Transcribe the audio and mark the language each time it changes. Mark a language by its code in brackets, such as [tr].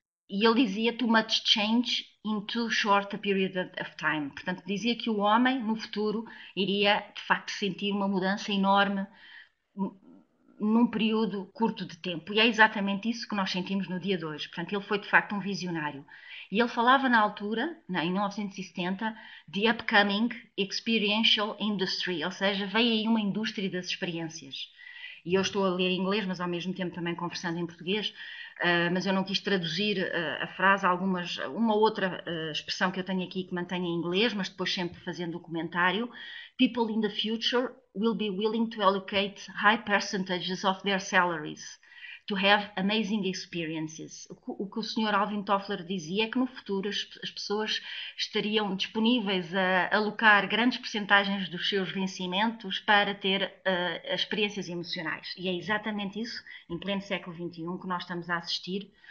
[pt] E ele dizia, [en] too much change in too short a period of time. [pt] Portanto, dizia que o homem, no futuro, iria, de facto, sentir uma mudança enorme num período curto de tempo. E é exatamente isso que nós sentimos no dia de hoje. Portanto, ele foi de facto um visionário. E ele falava na altura, em 1970, de [en] upcoming experiential industry, [pt] ou seja, veio aí uma indústria das experiências. E eu estou a ler em inglês, mas ao mesmo tempo também conversando em português, mas eu não quis traduzir a frase, uma outra expressão que eu tenho aqui que mantenho em inglês, mas depois sempre fazendo o comentário. [en] People in the future will be willing to allocate high percentages of their salaries to have amazing experiences. [pt] O que o senhor Alvin Toffler dizia é que no futuro as pessoas estariam disponíveis a alocar grandes percentagens dos seus vencimentos para ter experiências emocionais. E é exatamente isso, em pleno século XXI, que nós estamos a assistir.